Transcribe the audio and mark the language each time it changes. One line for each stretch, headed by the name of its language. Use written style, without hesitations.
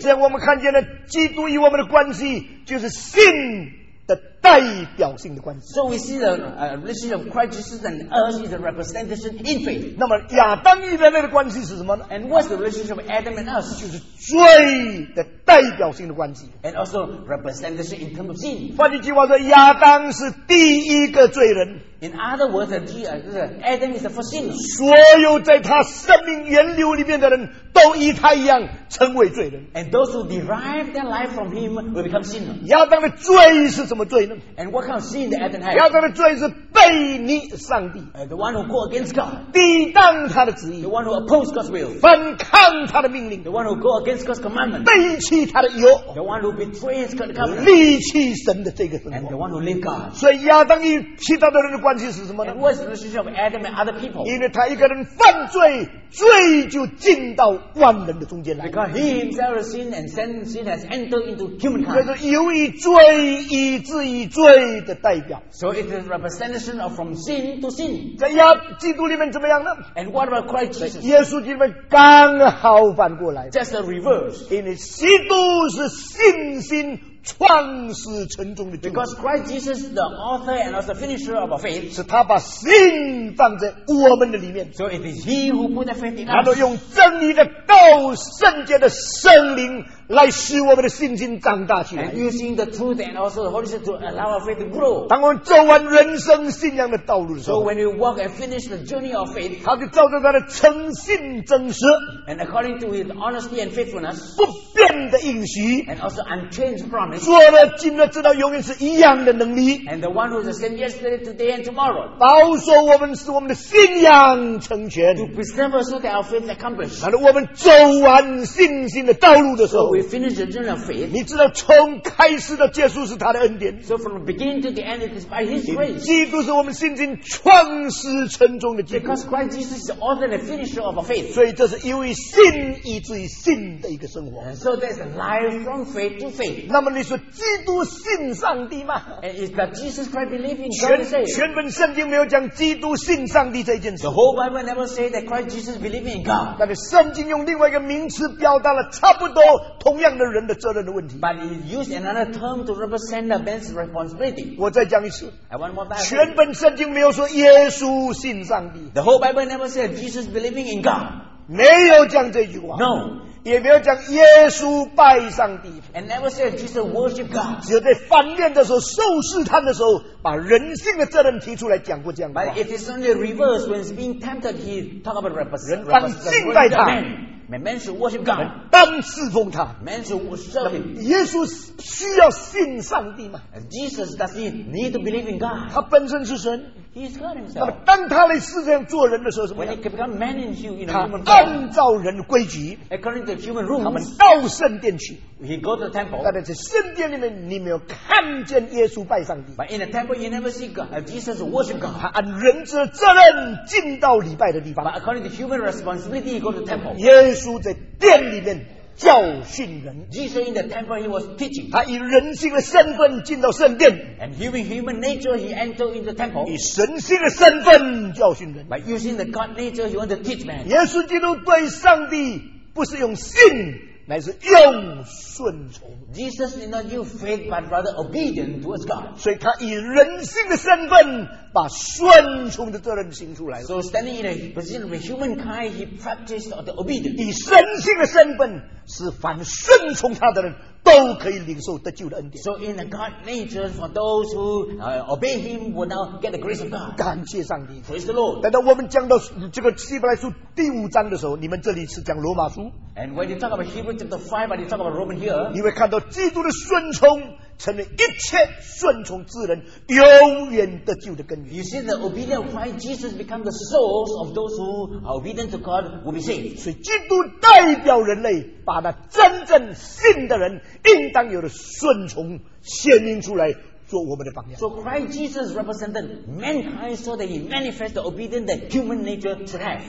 Chinese: 这样我们看见了基督与我们的关系，就是信的代表性的关系。
English: So we see the relationship of Christ Jesus and us is a representation in faith.
Chinese: 那么亚当与人类的关系是什么呢？
English: And what's the relationship of Adam and us?
Chinese: 就是罪的代表性的关系。
English: And also representation in terms of sin.
Chinese: 换句话说，亚当是第一个罪人。
English: In other words, Adam is the first sinner.
Chinese: 所有在他生命源流里面的人都与他一样成为罪人。
English: And those who derive their life from him will become sinner.
Chinese: 亚当的罪是什么罪呢？
English: And what kind of sin did Adam have?
Chinese: 亚当的罪是背逆上帝。
English: And the one who go against God.
Chinese: 抵挡他的旨意。
English: The one who oppose God's will.
Chinese: 反抗他的命令。
English: The one who go against God's commandment.
Chinese: 背弃他的约。
English: The one who betrays God's covenant.
Chinese: 离弃神的这个神。
English: And the one who leave God.
Chinese: 所以亚当与其他的人的关系是什么呢？
English: And what's the relationship of Adam and other people?
Chinese: 因为他一个人犯罪，罪就进到万人的中间来。
English: Because he himself has sinned and sin has entered into humankind.
Chinese: 这是由于罪以至于罪的代表。
English: So it is representation of from sin to sin.
Chinese: 在亚基督里面怎么样呢？
English: And what about Christ Jesus?
Chinese: 耶稣基督里面刚好反过来。
English: Just the reverse.
Chinese: 因为基督是信心创始成终的救主。
English: Because Christ Jesus, the author and also finisher of our faith,
Chinese: 是他把信放在我们的里面。
English: So it is He who put the faith in us.
Chinese: 他都用真理的道、圣洁的圣灵来使我们的信心长大起来。
English: And using the truth and also the Holy Spirit to allow our faith to grow.
Chinese: 当我们走完人生信仰的道路的时候
English: ，So when we walk and finish the journey of faith,
Chinese: 他就照着他的诚信真实
English: ，and according to His honesty and faithfulness,
Chinese: 不变的应许
English: ，and also unchanged promise.
Chinese: 做了今日直到永远是一样的能力
English: and the one who is the same yesterday, today and tomorrow,
Chinese: 保守我们使我们的信仰成全
English: to preserve us so that our faith is accomplished.
Chinese: 然后我们走完信心的道路的时候
English: so we finish the journey of faith.
Chinese: 你知道从开始到结束是他的恩典
English: so from the beginning to the end it is by his grace.
Chinese: 基督是我们信心创始成终的基督
English: because Christ Jesus is the author and finisher of our faith.
Chinese: 所以这是由于信以至于信的一个生活
English: and so there's a life from faith to faith.
Chinese: 那么你说基督信上帝吗
English: And is that Jesus Christ believing God is saved?
Chinese: 全本圣经没有讲基督信上帝这件事
English: The whole Bible never say that Christ Jesus believing in God
Chinese: 但是圣经用另外一个名词表达了差不多同样的人的责任的问题
English: But it used another term to represent the man's responsibility
Chinese: 我再讲一次
English: I want more Bible
Chinese: 全本圣经没有说耶稣信上帝
English: The whole Bible never say Jesus believing in God
Chinese: 没有讲这句话
English: No
Chinese: 也没有讲耶稣拜上帝
English: and never said Jesus worship God
Chinese: 只有在反面的时候受试探的时候把人性的责任提出来讲过这样的话
English: but if it's only reverse when it's being tempted he talk about represent
Chinese: 人当敬拜他
English: men should worship God
Chinese: 人当侍奉他
English: men should worship him
Chinese: 耶稣需要信上帝吗
English: Jesus does he need to believe in God
Chinese: 他本身是神
English: He's God himself.
Chinese: 那么当他来世上做人的时候什么
English: 样 When he can become man in human form,
Chinese: 他按照人的规矩
English: According to human rules,
Chinese: 他们到圣殿去
English: He go to the temple.
Chinese: 但在圣殿里面你没有看见耶稣拜上帝
English: But in the temple you never see God, Jesus worship God.
Chinese: 他按人之责任进到礼拜的地方
English: But according to human responsibility, he go to the temple.
Chinese: 耶稣在殿里面教训人
English: Jesus in the temple he was teaching
Chinese: 他以人性的身份进到圣殿
English: and using human nature he entered into the temple
Chinese: 以神性的身份教训人
English: by using the God nature he wanted to teach man
Chinese: 耶稣基督对上帝不是用信乃是用顺从
English: Jesus did not use faith but rather obedience towards God
Chinese: 所以他以人性的身份把顺从的责任行出来
English: So standing in a position of humankind he practiced the obedience
Chinese: 以神性的身份是凡顺从他的人都可以领受得救的恩典
English: So in the God nature for those who obey him will now get the grace of God
Chinese: 感谢上帝
English: Praise the Lord
Chinese: 等到我们讲到这个希伯来书第五章的时候你们这里是讲罗马书
English: And when you talk about Hebrews chapter 5 and you talk about Roman here
Chinese: 你会看到基督的顺从成为一切顺从之人永远得救的根源
English: You see the obedience of Christ Jesus become the source of those who are obedient to God will be saved
Chinese: 所以基督代表人类把那真正信的人应当有的顺从显明出来做我们的榜样
English: So Christ Jesus represented mankind so that he manifest the obedience that human nature should have